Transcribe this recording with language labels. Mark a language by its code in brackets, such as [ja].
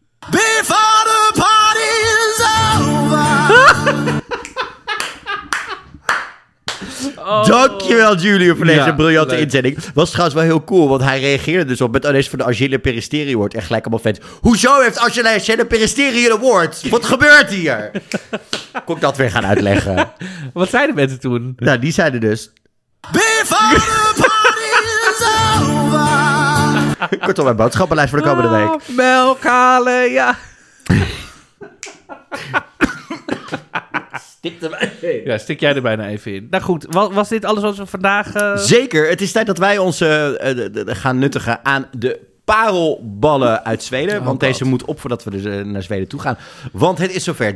[en] Before the party is over. Oh. [nl] Dankjewel, Julio, voor deze briljante inzending. Was trouwens wel heel cool, want hij reageerde dus op... met ineens van de Agile Peristeri Award. En gelijk allemaal fans. Hoezo heeft Agile Peristeri een award? Wat gebeurt hier? Kon ik dat weer gaan uitleggen. Wat zeiden mensen toen? Nou, die zeiden dus... [en] Before the party is over. [nl] Kort op mijn boodschappenlijst voor de komende week. Melk halen, ja. Stik erbij. Ja, stik jij er bijna even in. Nou goed, was dit alles wat we vandaag... Zeker, het is tijd dat wij ons gaan nuttigen aan de parelballen uit Zweden. Oh, want deze moet op voordat we dus naar Zweden toe gaan. Want het is zover.